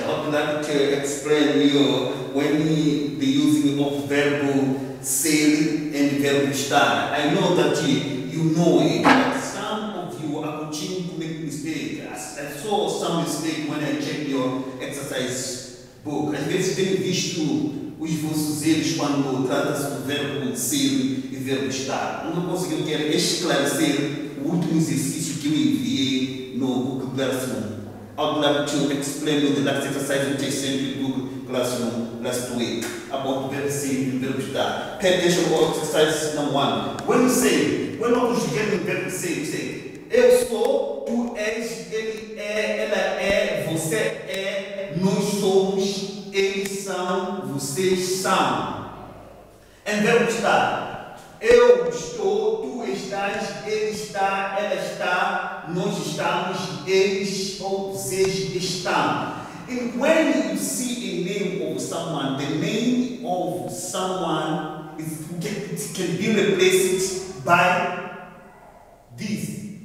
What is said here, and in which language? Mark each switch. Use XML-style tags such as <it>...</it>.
<en>I would like to explain you when the using of verbo ser and verbo estar. I know that you know it, but some of you are continuing to make mistakes. I saw some mistake when I checked your exercise book.</en> <pt>Às vezes tenho visto os vossos erros quando tratam-se do verbo ser e verbo estar. Não consegui, eu quero esclarecer o último exercício que eu enviei no Google Classroom.</pt> <en>I would like to explain you the last exercise which I sent to Google Classroom last week about verbo ser e verbo estar. Pay attention to exercise number one. When you say, when all of you get the verbo ser, you say,</en> <pt>eu sou, tu és, ele é, ela é, você é, nós somos. Eles são, vocês são. Em verbo estar. Eu estou, tu estás, ele está, ela está, nós estamos, eles ou vocês estão.</pt> <en>And when you see a name of someone, the name of someone can be replaced by this.</en>